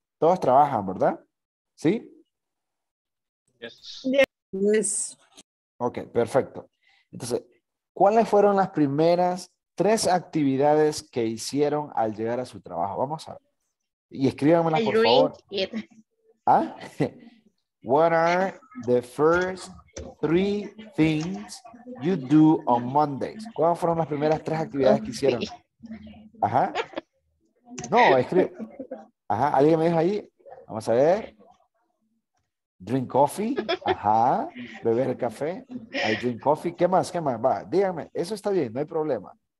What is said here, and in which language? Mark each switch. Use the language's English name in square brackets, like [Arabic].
[Spanish] Todos trabajan, ¿verdad? ¿Sí? [English] Yes. [Spanish] Ok, perfecto. Entonces, ¿cuáles fueron las primeras tres actividades que hicieron al llegar a su trabajo? Vamos a ver. Y escríbanmela, por favor. ¿Ah? [English] What are the first three things you do on Mondays? [Spanish] ¿Cuáles fueron las primeras tres actividades que hicieron? Ajá. No, escribe. Ajá, alguien me dijo ahí. Vamos a ver. [English] Drink coffee. [Spanish] Ajá. Beber el café. [English] I drink coffee. [Spanish] ¿Qué más? ¿Qué más? Va, díganme. Eso está bien, no hay problema.